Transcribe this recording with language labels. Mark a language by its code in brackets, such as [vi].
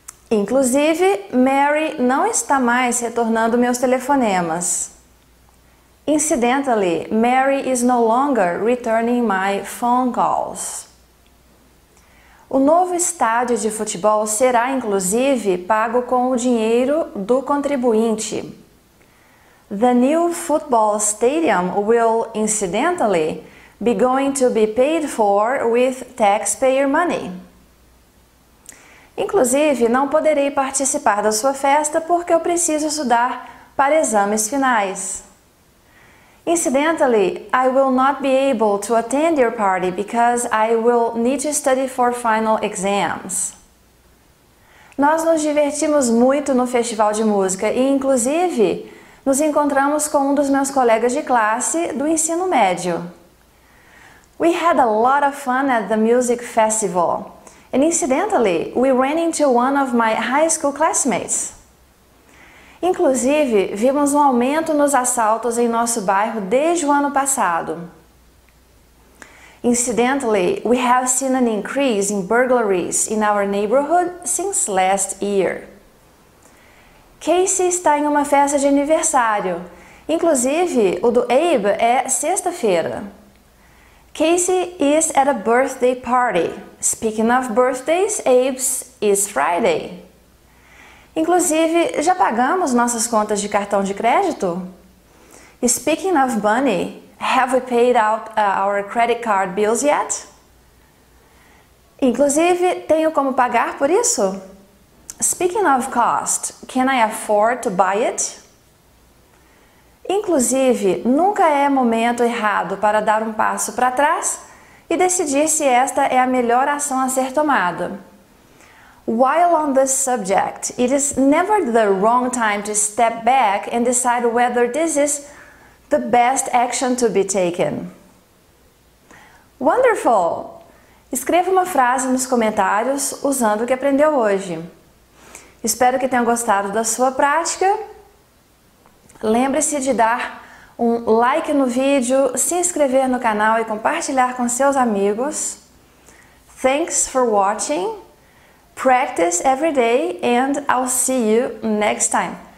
[pt] Inclusive, Mary não está mais retornando meus telefonemas. [en] Incidentally, Mary is no longer returning my phone calls. [pt] O novo estádio de futebol será, inclusive, pago com o dinheiro do contribuinte. [en] The new football stadium will, incidentally, be going to be paid for with taxpayer money. [pt] Inclusive, não poderei participar da sua festa porque eu preciso estudar para exames finais. [en] Incidentally, I will not be able to attend your party because I will need to study for final exams. [pt] Nós nos divertimos muito no festival de música e, inclusive, nos encontramos com um dos meus colegas de classe do ensino médio. [en] We had a lot of fun at the music festival. And incidentally, we ran into one of my high school classmates. [pt] Inclusive, vimos um aumento nos assaltos em nosso bairro desde o ano passado. [en] Incidentally, we have seen an increase in burglaries in our neighborhood since last year. [pt] Casey está em uma festa de aniversário. Inclusive, o do Abe é sexta-feira. [en] Casey is at a birthday party. Speaking of birthdays, Abe's is Friday. [pt] Inclusive, já pagamos nossas contas de cartão de crédito? [en] Speaking of money, have we paid out our credit card bills yet? [pt] Inclusive, tenho como pagar por isso? [en] Speaking of cost, can I afford to buy it? [pt] Inclusive, nunca é momento errado para dar um passo para trás e decidir se esta é a melhor ação a ser tomada. [en] While on this subject, it is never the wrong time to step back and decide whether this is the best action to be taken. Wonderful! [pt] Escreva uma frase nos comentários usando o que aprendeu hoje. Espero que tenha gostado da sua prática. Lembre-se de dar um like no vídeo, se inscrever no canal e compartilhar com seus amigos. [en] Thanks for watching. Practice every day and I'll see you next time.